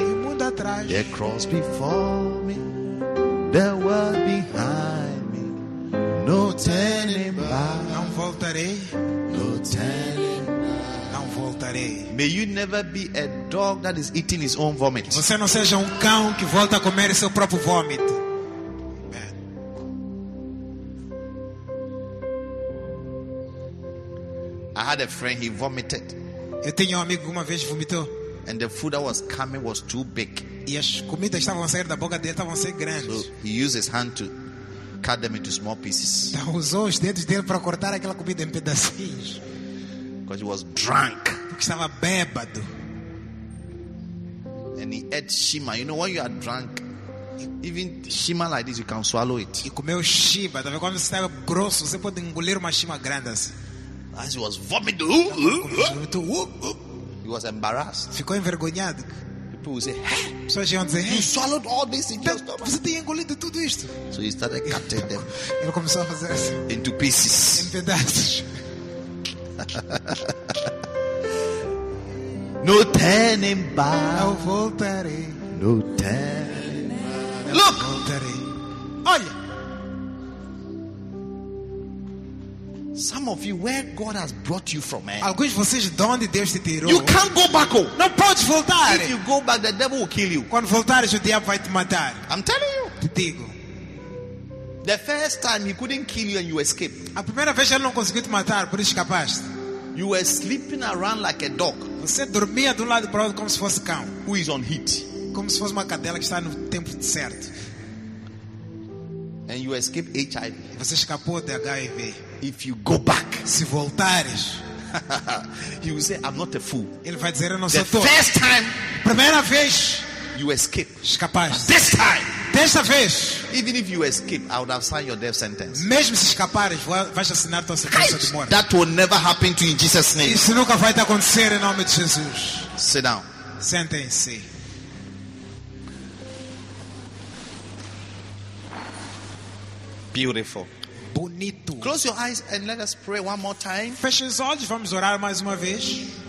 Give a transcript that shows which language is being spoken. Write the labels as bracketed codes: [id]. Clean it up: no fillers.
[pt] O mundo atrás. [en] The cross before me. The world behind me. No turning back. [pt] Não voltarei. [en] No turning back. [pt] Não voltarei. [en] May you never be a dog that is eating his own vomit. [pt] Você não seja cão que volta a comer seu próprio vômito. [en] I had a friend, he vomited. [pt] Eu tinha amigo uma vez vomitou. [en] And the food that was coming was too big. [pt] E as comidas estavam a sair da boca dele, estavam a ser grandes. [en] So he used his hand to cut them into small pieces. [pt] Então usou os dedos dele para cortar aquela comida em pedacinhos. [en] Because he was drunk. [pt] Porque estava bêbado. [en] And he ate shima. You know when you are drunk, even shima like this you can swallow it. [pt] E comeu shima, tá vendo? Quando você está grosso, você pode engolir uma shima grande assim. [en] As he was vomiting, he was embarrassed. [pt] Ficou envergonhado. [en] People would say, [pt] pessoas iam dizer, [en] you swallowed all this in your stomach. [pt] Você tem engolido tudo isto. [en] So he started cutting them. [pt] Ele começou a fazer assim. [en] Into pieces. [pt] Em pedaços. [en] No turning back. [pt] Não voltarei. [en] No turning back. [pt] Não voltarei. Olha. [en] Some of you, where God has brought you from, man. [pt] Alguns de vocês, de onde Deus te tirou. [en] You can't go back home. [pt] Não pode voltar. [en] If you go back, the devil will kill you. [pt] Quando voltares, o diabo vai te matar. [en] I'm telling you. [pt] Te digo. [en] The first time he couldn't kill you and you escaped. [pt] A primeira vez ele não conseguiu te matar, por isso escapaste. [en] You were sleeping around like a dog. [pt] Você dormia de um lado para o outro como se fosse cão. [en] Who is on heat? [pt] Como se fosse uma cadela que está no tempo certo. [en] And you escape HIV. [pt] Você escapou de HIV. [en] If you go back, [pt] se voltares, [en] he will say, "I'm not a fool." [pt] Ele vai dizer, "Não sou tolo." [en] The first time, [pt] primeira vez, [en] you escape. [pt] Escapaste. [en] But this time, [pt] desta vez, [en] even if you escape, I would have signed your death sentence. [pt] Mesmo se escapares, vais assinar tua sentença de morte. [en] That will never happen to you in Jesus' name. [pt] Isso nunca vai te acontecer em nome de Jesus. [en] Sit down. [pt] Sentem-se. [en] Beautiful. [pt] Bonito. [en] Close your eyes and let us pray one more time. [pt] Feche os olhos, vamos orar mais uma vez.